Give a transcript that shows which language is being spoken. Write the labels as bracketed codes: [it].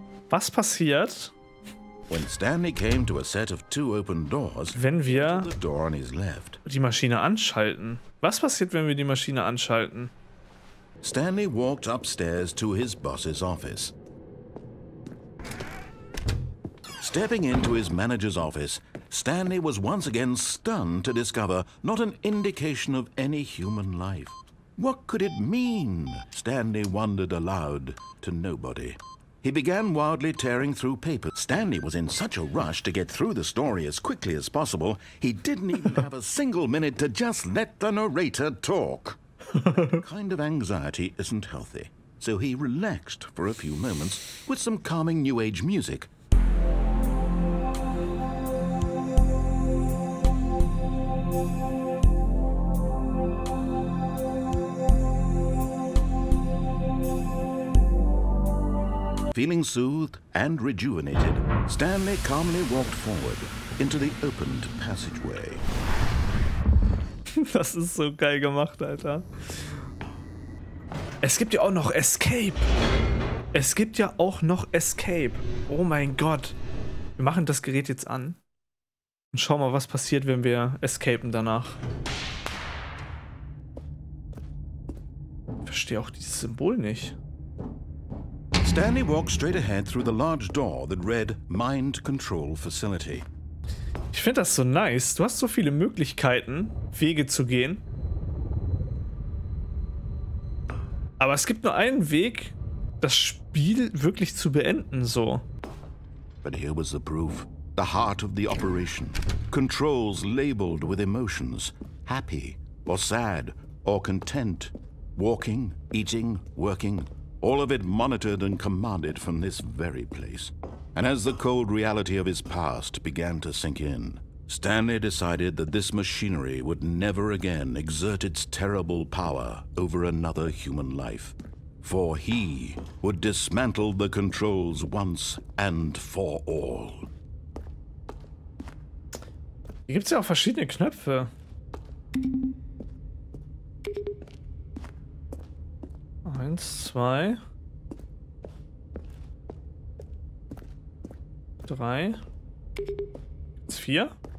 [de] Was passiert, [en] when Stanley came to a set of two open doors, [de] wenn wir die Maschine anschalten? Was passiert, wenn wir die Maschine anschalten? [en] Stanley walked upstairs to his boss's office. Stepping into his manager's office, Stanley was once again stunned to discover not an indication of any human life. What could it mean? Stanley wondered aloud to nobody. He began wildly tearing through papers. Stanley was in such a rush to get through the story as quickly as possible, he didn't even have a single minute to just let the narrator talk. That kind of anxiety isn't healthy, so he relaxed for a few moments with some calming New Age music. Feeling soothed and rejuvenated, Stanley calmly walked forward into the opened passageway. [de] Das ist so geil gemacht, Alter. Es gibt ja auch noch Escape. Es gibt ja auch noch Escape. Oh mein Gott. Wir machen das Gerät jetzt an. Und schauen mal, was passiert, wenn wir escapen danach. Ich verstehe auch dieses Symbol nicht. [en] Stanley walked straight ahead through the large door that read Mind Control Facility. [de] Ich finde das so nice. Du hast so viele Möglichkeiten, Wege zu gehen. Aber es gibt nur einen Weg, das Spiel wirklich zu beenden, so. [en] But here was the proof. The heart of the operation. Controls labeled with emotions. Happy or sad or content. Walking, eating, working. All of it monitored and commanded from this very place. And as the cold reality of his past began to sink in, Stanley decided that this machinery would never again exert its terrible power over another human life. For he would dismantle the controls once and for all. [de] Hier gibt's ja auch verschiedene Knöpfe. Eins, zwei. Drei. Gibt's vier?